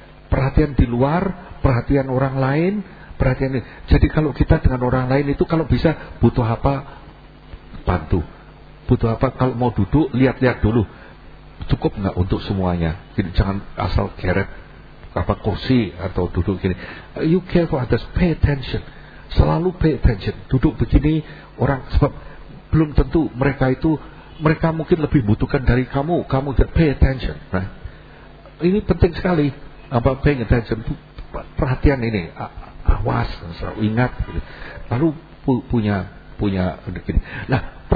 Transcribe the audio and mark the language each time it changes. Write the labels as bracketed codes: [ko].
[id] Perhatian di luar, perhatian orang lain, perhatian ini. Jadi kalau kita dengan orang lain itu kalau bisa butuh apa bantu, butuh apa kalau mau duduk lihat-lihat dulu cukup nggak untuk semuanya. Jadi jangan asal geret apa kursi atau duduk gini. [en] You care for others, pay attention, selalu pay attention. [id] Duduk begini orang, sebab belum tentu mereka itu, mereka mungkin lebih butuhkan dari kamu. Kamu tidak [en] pay attention, [id] nah, ini penting sekali apa [en] paying attention, [id] perhatian ini, awas, selalu ingat gini. Lalu punya gini. Nah,